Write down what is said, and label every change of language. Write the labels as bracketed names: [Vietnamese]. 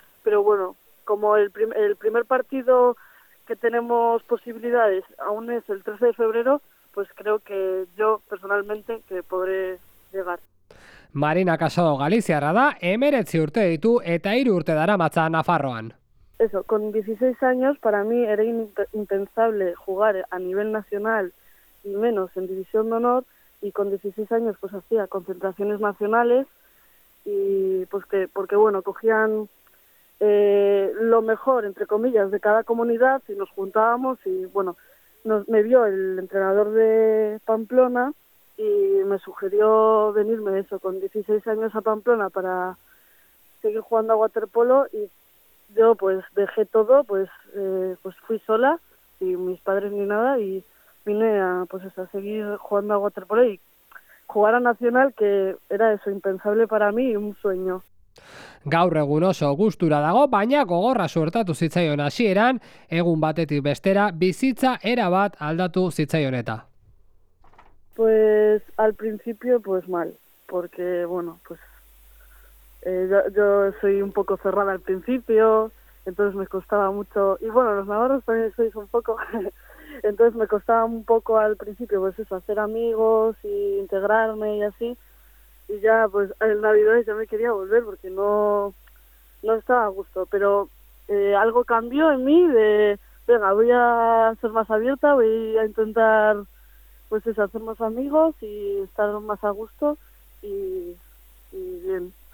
[Spanish] Pero bueno, como el primer partido que tenemos posibilidades aún es el 13 de febrero, pues creo que yo personalmente que podré llegar. [Basque] Marina Casado galiziarra da, 19 urte ditu eta 3 urte daramatza Nafarroan. [Spanish] Eso, con 16 años para mí era impensable jugar a nivel nacional y menos en división de honor, y con 16 años pues hacía concentraciones nacionales y pues que porque bueno, cogían lo mejor entre comillas de cada comunidad y nos juntábamos y bueno, me vio el entrenador de Pamplona y me sugirió venirme eso con 16 años a Pamplona para seguir jugando a waterpolo. Y yo pues dejé todo, pues fui sola, sin mis padres ni nada, y vine a pues eso, a seguir jugando a waterpolo y jugar a nacional, que era eso, impensable para mí y un sueño. [Basque] Gaur egun oso gustura dago, baina gogorra suertatu zitzaion hasieran, egun batetik bestera bizitza erabat aldatu zitzaion eta. [Spanish] Pues al principio pues mal, porque bueno, pues yo soy un poco cerrada al principio, entonces me costaba mucho, y bueno, los navarros también sois un poco, entonces me costaba un poco al principio pues eso, hacer amigos y integrarme y así, y ya pues en Navidad ya me quería volver porque no estaba a gusto, pero algo cambió en mí de, venga, voy a ser más abierta, voy a intentar pues eso, hacer más amigos y estar más a gusto y bien.